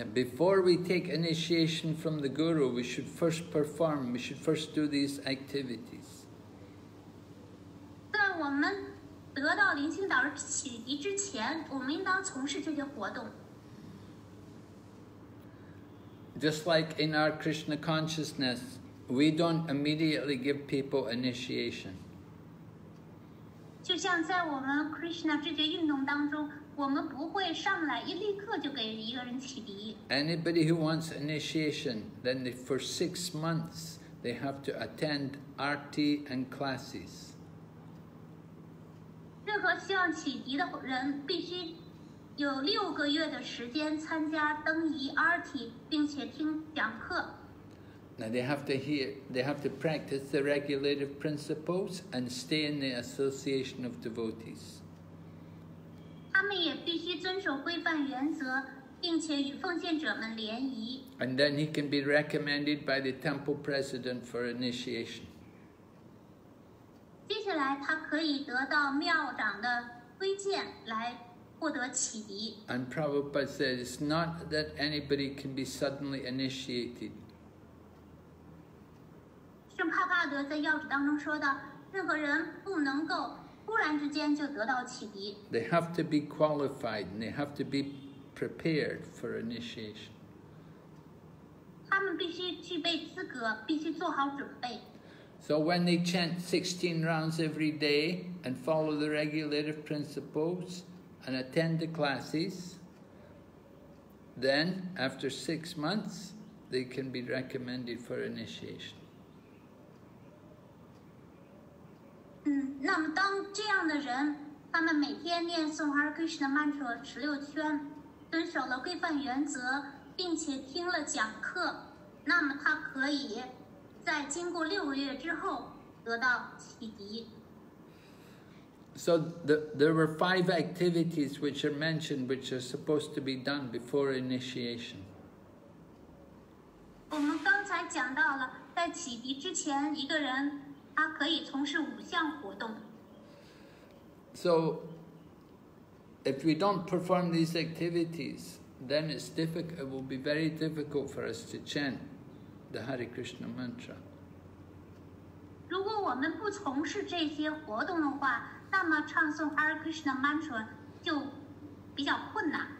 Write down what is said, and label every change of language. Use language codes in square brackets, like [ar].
[en] Before we take initiation from the guru, we should first do these activities. [zh] 在我们得到灵性导师启迪之前，我们应当从事这些活动。 [en] Just like in our Krishna consciousness, we don't immediately give people initiation. [zh] 就像在我们 Krishna 知觉运动当中，我们不会上来一立刻就给一个人启迪。 [en] Anybody who wants initiation, then for 6 months they have to attend arti and classes. [zh] 任何希望启迪的人必须有6个月的时间参加灯仪 RT 并且听讲课。 [en] Now they have to practice the regulative principles and stay in the association of devotees. [zh] 他们也必须遵守规范原则，并且与奉献者们联谊。 [en] And then he can be recommended by the temple president for initiation. [zh] 接下来他可以得到庙长的推荐来获得启迪。 [en] And Prabhupada said, it's not that anybody can be suddenly initiated. [zh] 圣帕帕德在要旨当中说到，任何人不能够忽然之间就得到启迪。 [en] They have to be qualified and they have to be prepared for initiation. [zh] 他们必须具备资格，必须做好准备。 [en] So when they chant 16 rounds every day and follow the regulative principles and attend the classes, then after 6 months, they can be recommended for initiation. [zh] 那么当这样的人，他们每天念诵 Hare Krishna mantra 16圈，遵守了规范原则，并且听了讲课，那么他可以在经过6个月之后得到启迪。 [en] So there were five activities which are mentioned which are supposed to be done before initiation. [zh] 我们刚才讲到了在启迪之前一个人他可以从事五项活动。 [en] So if we don't perform these activities, then it's difficult, it will be very difficult for us to chant the Hare Krishna mantra. [zh] 如果我们不从事这些活动的话那么唱诵 Hare Krishna mantra 就比较困难。